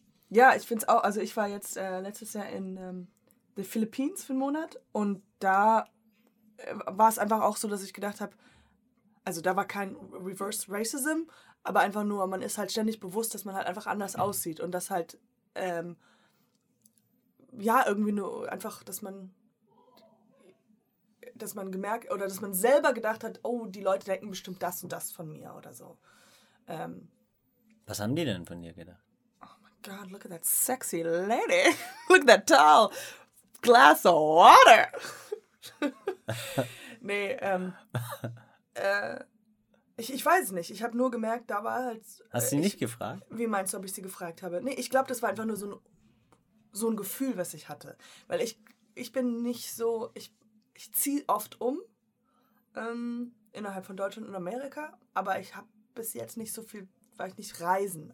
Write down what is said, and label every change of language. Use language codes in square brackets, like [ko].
[de] Ja, ich finde es auch, also ich war jetzt letztes Jahr in den Philippines für einen Monat und da war es einfach auch so, dass ich gedacht habe, also da war kein Reverse Racism, aber einfach nur, man ist halt ständig bewusst, dass man halt einfach anders aussieht und dass halt, ja, irgendwie nur einfach, dass man gemerkt, oder dass man selber gedacht hat, oh, die Leute denken bestimmt das und das von mir oder so. Was haben die denn von dir gedacht? [en] Oh my God, look at that sexy lady. Look at that tall glass of water. [de] Nee, ich weiß es nicht. Ich habe nur gemerkt, da war halt... Hast du sie nicht gefragt? Wie meinst du, ob ich sie gefragt habe? Nee, ich glaube, das war einfach nur so ein Gefühl, was ich hatte. Weil ich bin nicht so... Ich ziehe oft um innerhalb von Deutschland und Amerika, aber ich habe bis jetzt nicht so viel, weil ich nicht reisen.